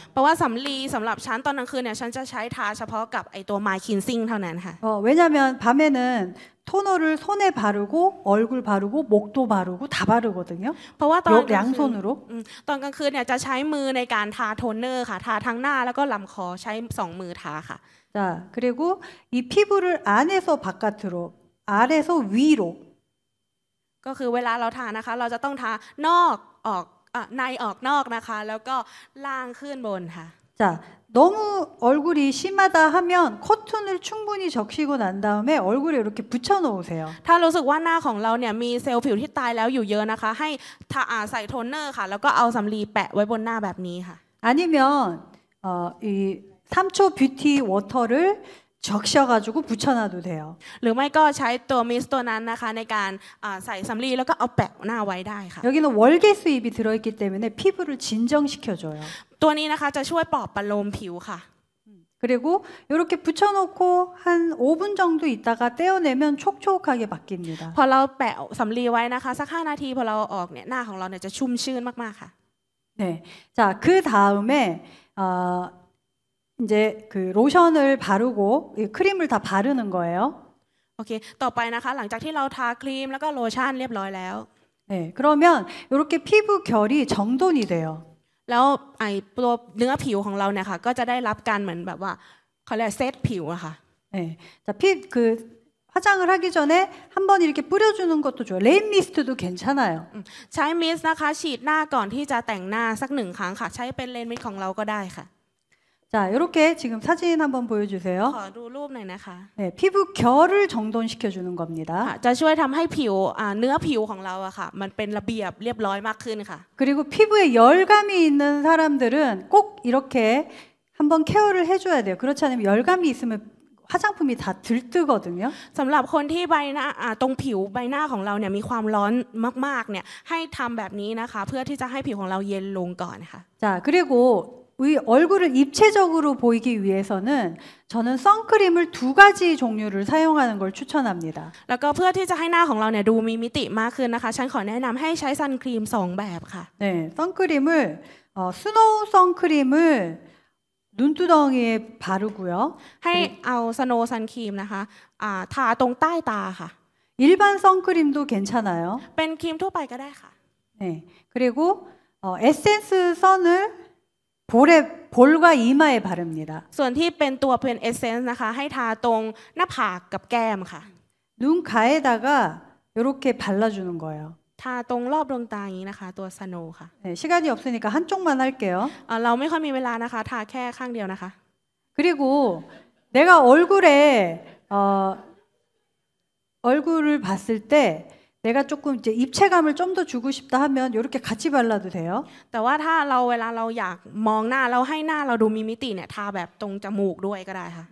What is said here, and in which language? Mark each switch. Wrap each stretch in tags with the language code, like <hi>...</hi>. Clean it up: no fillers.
<th>เพราะว่าสำลีสำหรับฉันตอนกลางคืนเนี่ยฉันจะใช้ทาเฉพาะกับไอ้ตัวมายคินซิ่งเท่านั้นค่ะ</th> <ko>왜냐면밤에는토너를손에바르고얼굴바르고목도바르고다바르거든요</ko> <th>เพราะว่าตอน ยังส่วนรู ตอนกลางคืนเนี่ยจะใช้มือในการทาโทนเนอร์ค่ะทาทั้งหน้าแล้วก็ลําคอใช้2มือทาค่ะ</th> <ko>자그리고이피부를안에서바깥으로아래서위로</ko> <th>ก็คือเวลาเราทานะคะเราจะต้องทานอกออกในออกนอกนะคะแล้วก็ล่างขึ้นบนค่ะ</th> <ko>자너무얼굴이심하다하면코튼을충분히적시고난다음에얼굴에이렇게붙여놓으세요</ko> <th>ถ้ารู้สึกว่าหน้าของเราเนี่ยมีเซลล์ผิวที่ตายแล้วอยู่เยอะนะคะให้ทาใส่โทนเนอร์ค่ะแล้วก็เอาสำลีแปะไว้บนหน้าแบบนี้ค่ะ</th> <ko>아니면이3초뷰티워터를적셔가지고붙여놔도돼요</ko> <th>หรือไม่ก็ใช้ตัวมิสต์ตัวนั้นนะคะในการใส่สำลีแล้วก็เอาแปะหน้าไว้ได้ค่ะ</th> <ko>여기는월계수입이들어있기때문에피부를진정시켜줘요</ko> <th>ตัวนี้นะคะจะช่วยปลอบประโลมผิวค่ะ</th> <ko>그리고이렇게붙여놓고한5분정도있다가떼어내면촉촉하게바뀝니다</ko> <th>พอเราแปะสำลีไว้นะคะสัก5นาทีพอเราออกเนี่ยหน้าของเราเนี่ยจะชุ่มชื่นมากๆค่ะ</th> <ko>네자그다음에이제그로션을바르고크림을다바르는거예요</ko> <th>โอเคต่อไปนะคะหลังจากที่เราทาครีมแล้วก็โลชั่นเรียบร้อยแล้ว</th> <ko>네그러면이렇게피부결이정돈이돼요</ko> <th>แล้วไอ้ตัวเนื้อผิวของเราเนี่ยค่ะก็จะได้รับการเหมือนแบบว่าเขาเรียกเซตผิวอะค่ะ</th> <ko>네자피그화장을하기전에한번이렇게뿌려주는것도좋아요레인미스트도괜찮아요</ko> <th>ใช้มิสต์นะคะฉีดหน้าก่อนที่จะแต่งหน้าสักหนึ่งครั้งค่ะใช้เป็นเรนมิสต์ของเราก็ได้ค่ะ</th> <ko>자이렇게지금사진한번보여주세요</ko> <th>ขอดูรูปหน่อยนะคะ</th> <ko>네피부결을정돈시켜주는겁니다</ko> <th>จะช่วยทําให้ผิวเนื้อผิวของเราอะค่ะมันเป็นระเบียบเรียบร้อยมากขึ้นค่ะ</th> <ko>그리고피부에열감이있는사람들은꼭이렇게한번케어를해줘야돼요그렇지않으면열감이있으면화장품이다들뜨거든요</ko> <th>สําหรับคนที่ใบหน้าตรงผิวใบหน้าของเราเนี่ยมีความร้อนมากๆเนี่ยให้ทําแบบนี้นะคะเพื่อที่จะให้ผิวของเราเย็นลงก่อนค่ะ</th> <ko>자그리고우리얼굴을입체적으로보이기위해서는저는선크림을두가지종류를사용하는걸추천합니다</ko> <th>แล้วก็เพื่อที่จะให้หน้าของเราเนี่ยดูมีมิติมากขึ้นนะคะฉันขอแนะนําให้ใช้ซันครีม2แบบค่ะ</th> <ko>네선크림을스노우선크림을눈두덩이에바르고요</ko> <th>ให้เอาสโนว์ซันครีมนะคะทาตรงใต้ตาค่ะ</th> <ko>일반선크림도괜찮아요</ko> <th>เป็นครีมทั่วไปก็ได้ค่ะ</th> <ko>네그리고에센스선을볼에볼과이마에바릅니다</ko> <th>ส่วนที่เป็นตัวเป็นเอเซนส์นะคะให้ทาตรงหน้าผากกับแก้มค่ะ</th> <ko>눈가에다가이렇게발라주는거예요</ko> <th>ทาตรงรอบดวงตานี้นะคะตัวสโนว์ค่ะ</th> <ko>네시간이없으니까한쪽만할게요</ko> <th>เราไม่ค่อยมีเวลานะคะทาแค่ข้างเดียวนะคะ</th> <ko>그리고내가얼굴에얼굴을봤을때내가조금이제입체감을좀더주고싶다하면이렇게같이발라도돼요</ko> <th>แต่ว่าถ้าเราเวลาเราอยากมองหน้าเราให้หน้าเราดูมีมิติเนี่ยทาแบบตรงจมูกด้วยก็ได้ค่ะ</th>